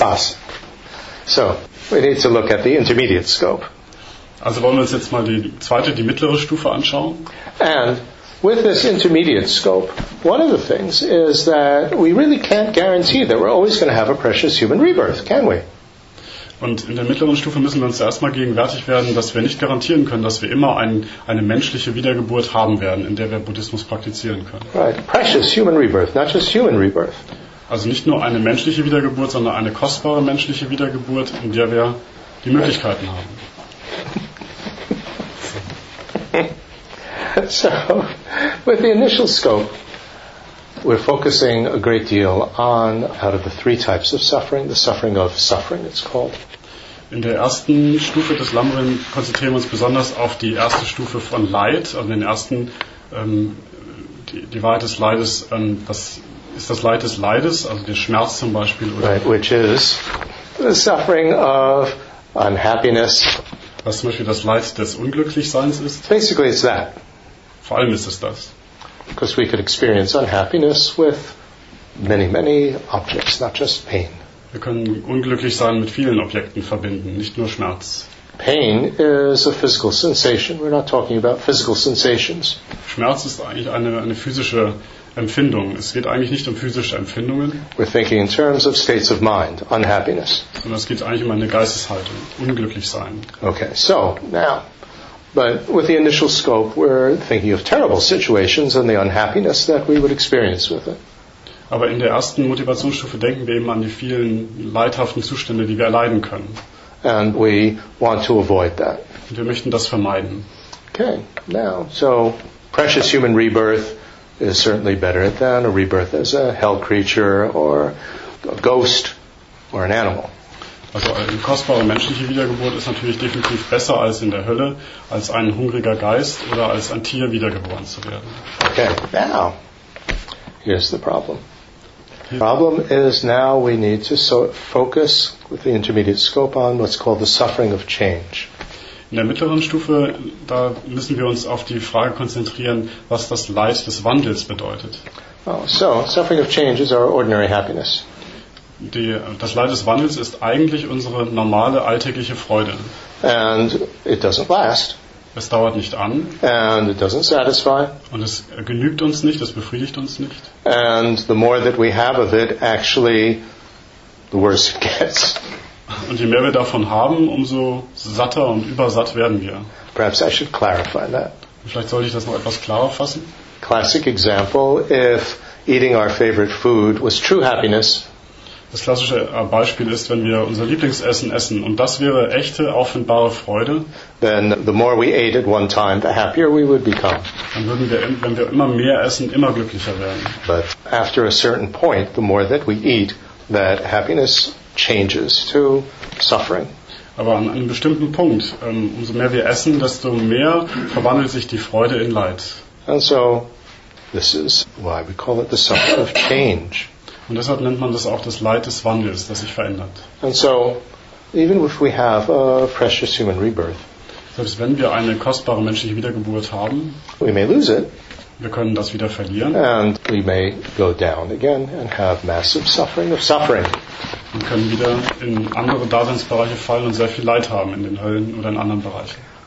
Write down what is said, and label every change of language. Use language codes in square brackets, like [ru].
[de] das. [en] So, we need to look at the intermediate scope. [de] Also wollen wir uns jetzt mal die mittlere Stufe anschauen. [en] And with this intermediate scope, one of the things is that we really can't guarantee that we're always going to have a precious human rebirth, can we? [de] Und in der mittleren Stufe müssen wir uns erstmal gegenwärtig werden, dass wir nicht garantieren können, dass wir immer eine menschliche Wiedergeburt haben werden, in der wir Buddhismus praktizieren können. [en] Right, precious human rebirth, not just human rebirth. [de] Also nicht nur eine menschliche Wiedergeburt, sondern eine kostbare menschliche Wiedergeburt, in der wir die Möglichkeiten haben. [en] So, with the initial scope, we're focusing a great deal on out of the three types of suffering, the suffering of suffering, it's called. [de] In der ersten Stufe des Lamrim konzentrieren wir uns besonders auf die erste Stufe von Leid, also den ersten, die Wahrheit des Leides, das ist das Leid des Leides, also der Schmerz zum Beispiel, oder? [en] Right, which is the suffering of unhappiness. [de] Was zum Beispiel das Leid des Unglücklichseins ist. [en] Basically it's that. [de] Vor allem ist es das. [en] Because we could experience unhappiness with many, many objects, not just pain. [de] Wir können Unglücklichsein mit vielen Objekten verbinden, nicht nur Schmerz. [en] Pain is a physical sensation. We're not talking about physical sensations. [de] Schmerz ist eigentlich eine physische Empfindung. Es geht eigentlich nicht um physische Empfindungen. [en] We're thinking in terms of states of mind, unhappiness. [de] Sondern es geht eigentlich um eine Geisteshaltung, unglücklich sein. [en] Okay, so now, but with the initial scope, we're thinking of terrible situations and the unhappiness that we would experience with it. [de] Aber in der ersten Motivationsstufe denken wir eben an die vielen leidhaften Zustände, die wir erleiden können. [en] And we want to avoid that. [de] Und wir möchten das vermeiden. [en] Okay, now, so precious human rebirth is certainly better than a rebirth as a hell creature or a ghost or an animal. [de] Also eine kostbare menschliche Wiedergeburt ist natürlich definitiv besser als in der Hölle, als ein hungriger Geist oder als ein Tier wiedergeboren zu werden. [en] Okay, now, here's the problem. The problem is now we need to focus with the intermediate scope on what's called the suffering of change. [de] In der mittleren Stufe, da müssen wir uns auf die Frage konzentrieren, was das Leid des Wandels bedeutet. [en] Oh, so, suffering of change is our ordinary happiness. [de] Das Leid des Wandels ist eigentlich unsere normale alltägliche Freude. [en] And it doesn't last. [de] Es dauert nicht an. [en] And it doesn't satisfy. [de] Und es genügt uns nicht, es befriedigt uns nicht. [en] And the more that we have of it, actually, the worse it gets. [de] Und je mehr wir davon haben, umso satter und übersatt werden wir. [en] Perhaps I should clarify that. [de] Vielleicht sollte ich das noch etwas klarer fassen. [en] Classic example: if eating our favorite food was true happiness. [de] Das klassische Beispiel ist, wenn wir unser Lieblingsessen essen und das wäre echte, offenbare Freude. [en] Then the more we ate at one time, the happier we would become. [de] Dann würden wir, wenn wir immer mehr essen, immer glücklicher werden. [en] But after a certain point, the more that we eat, that happiness changes to suffering. [de] Aber an einem bestimmten Punkt, umso mehr wir essen, desto mehr verwandelt sich die Freude in Leid. [en] And so, this is why we call it the suffering of change. [de] Und deshalb nennt man das auch das Leid des Wandels, das sich verändert. [en] And so, even if we have a precious human rebirth, [de] selbst wenn wir eine kostbare menschliche Wiedergeburt haben, [en] we may lose it. [de] Wir können das wieder verlieren. [en] And we may go down again and have massive suffering of suffering. [de] Wir können wieder in andere Daseinsbereiche fallen und sehr viel Leid haben in den Höllen oder in anderen Bereichen.